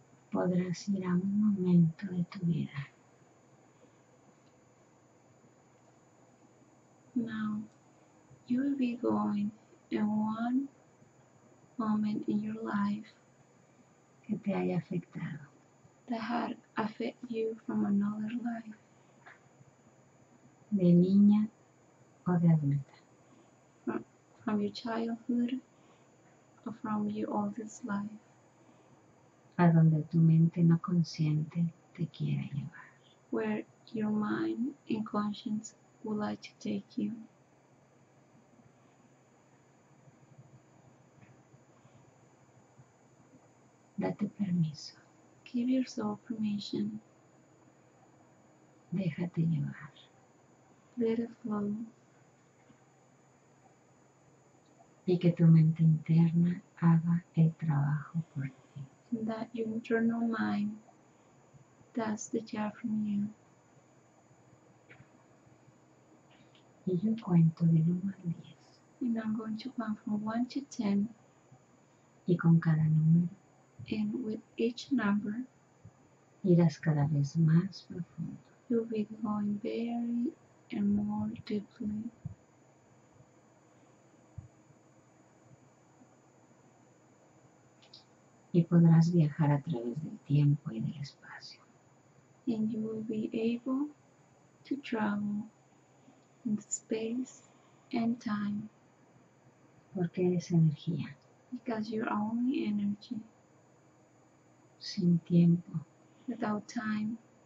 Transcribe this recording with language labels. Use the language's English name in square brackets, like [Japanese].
[Spanish] Podrás ir a un momento de tu vida. [English] Now you will be going in one moment in your life [Spanish] que te haya afectado. [English] That had affected you from another life. [Spanish] De niña o de adulta. [English] From your childhood or from your oldest life. [Spanish] A donde tu mente no consciente te quiera llevar. [English] Where your mind and conscience would like to take you. [Spanish] Date permiso. [English] Give yourself permission. [Spanish] Déjate llevar. [English] Let it flow. [Spanish] Y que tu mente interna haga el trabajo por ti. [English] That your internal mind does the job from you. [Spanish] Y yo cuento de 1 al 10. [English] And I'm going to count from 1 to 10. [Spanish] Y con cada número. [English] And with each number. [Spanish] Irás cada vez más profundo. [English] You'll be going very and more deeply. [Spanish] Y podrás viajar a través del tiempo y del espacio. [English] And you will be able to travel in space and time. [Spanish] Porque eres energía. [English] Because you're only energy. [Spanish] Sin tiempo. [English] Without time.